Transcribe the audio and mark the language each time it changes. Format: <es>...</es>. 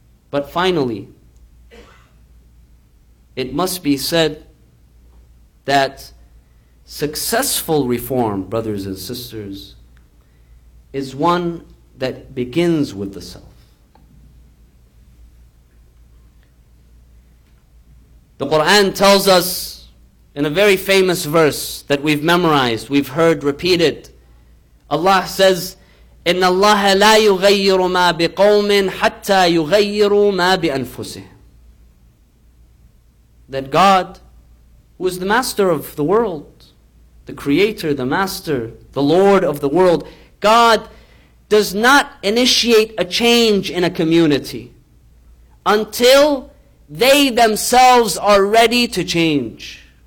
<en>But finally, it must be said that successful reform, brothers and sisters, is one that begins with the self. The Quran tells us in a very famous verse that we've memorized, we've heard repeated. Allah says,</en> <ar>إِنَّ اللَّهَ لَا يُغَيِّرُ مَا بِقَوْمٍ حَتَّى يُغَيِّرُ مَا بِأَنفُسِهِ.</ar> <en>That God, who is the master of the world, the creator, the master, the lord of the world, God does not initiate a change in a community until they themselves are ready to change.</en>